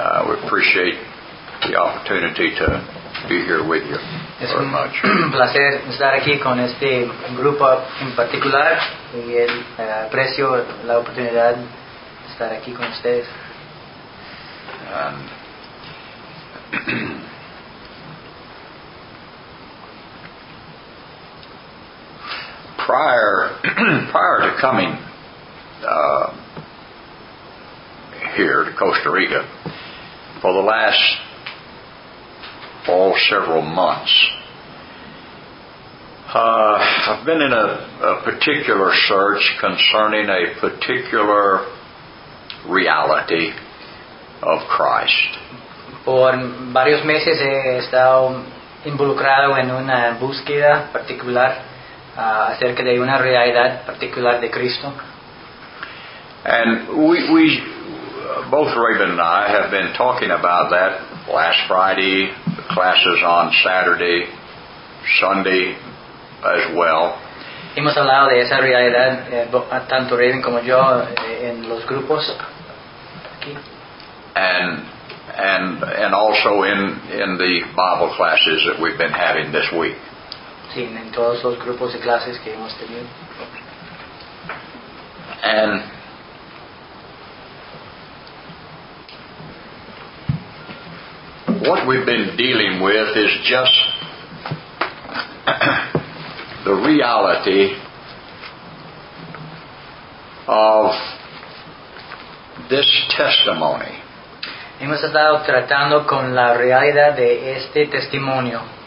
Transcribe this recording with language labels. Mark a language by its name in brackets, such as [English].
[English] We appreciate the opportunity to be here with you. [Spanish] Es un placer estar aquí con este grupo en particular y aprecio la oportunidad de estar aquí con ustedes. [English] Prior to coming here to Costa Rica, for the last several months, I've been in a particular search concerning a particular reality of Christ. [Spanish] Por varios meses he estado involucrado en una búsqueda particular acerca de una realidad particular de Cristo. [English] And we both Raven and I have been talking about that last Friday, the classes on Saturday, Sunday as well. [Spanish] Hemos hablado de esa realidad tanto Raven como yo en los grupos aquí. [English] And also in the Bible classes that we've been having this week. [Spanish] Sí, en todos los grupos de clases que hemos tenido. [English] And what we've been dealing with is just the reality of this testimony. [Spanish] Hemos estado tratando con la realidad de este testimonio.